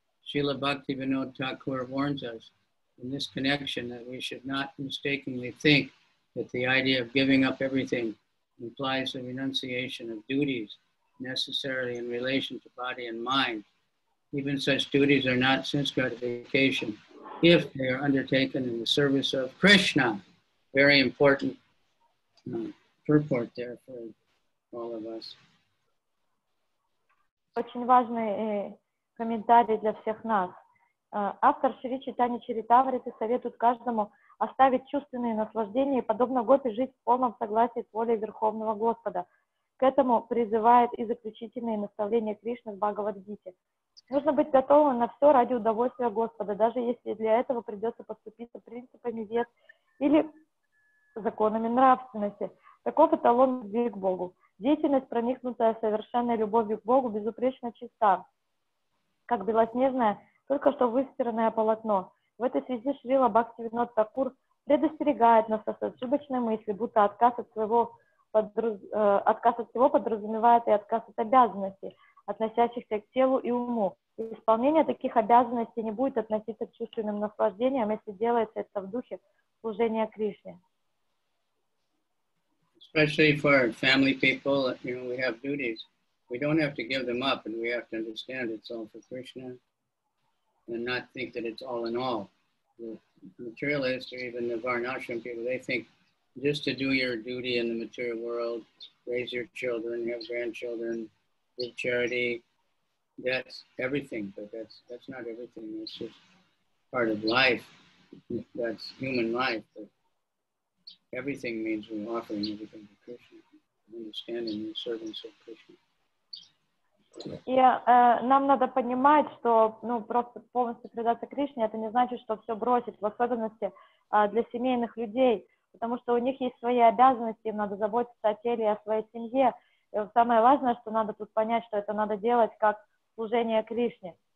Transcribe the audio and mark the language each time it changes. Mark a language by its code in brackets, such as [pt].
[en] Srila Bhaktivinoda Thakur warns us in this connection that we should not mistakenly think that the idea of giving up everything implies the renunciation of duties necessarily in relation to body and mind. Even such duties are not sense gratification if they are undertaken in the service of Krishna. Very important purport there for all of us. [ru] Очень важный комментарий для всех нас. Автор Шри Чайтанья Чаритамриты советует каждому оставить чувственные наслаждения и, подобно гопи, жить в полном согласии с волей Верховного Господа. К этому призывает и заключительные наставления Кришны в Бхагавад-гите. Нужно быть готовым на все ради удовольствия Господа, даже если для этого придется поступиться принципами вед или законами нравственности. Таков эталон любви к Богу. Деятельность, проникнутая совершенной любовью к Богу, безупречно чиста, как белоснежное, только что выстиранное полотно. В этой связи Шрила Бхактивинода Такур предостерегает нас от ошибочной мысли, будто отказ от своего отказ от всего подразумевает и отказ от обязанностей, относящихся к телу и уму. И исполнение таких обязанностей не будет относиться к чувственным наслаждениям, если делается это в духе служения Кришне. [en] Especially for family people, you know, we have duties. We don't have to give them up, and we have to understand it's all for Krishna, and not think that it's all in all. The materialists, or even the Varnashram people, they think just to do your duty in the material world, raise your children, have grandchildren, give charity, that's everything, but that's not everything. It's just part of life. That's human life, but everything means we're offering everything to Krishna, understanding the servants of Krishna. [ru] И нам надо понимать, что ну, просто полностью предаться Кришне, это не значит, что все бросить, в особенности для семейных людей, потому что у них есть свои обязанности, им надо заботиться о теле и о своей семье. И самое важное, что надо тут понять, что это надо делать как служение Кришне.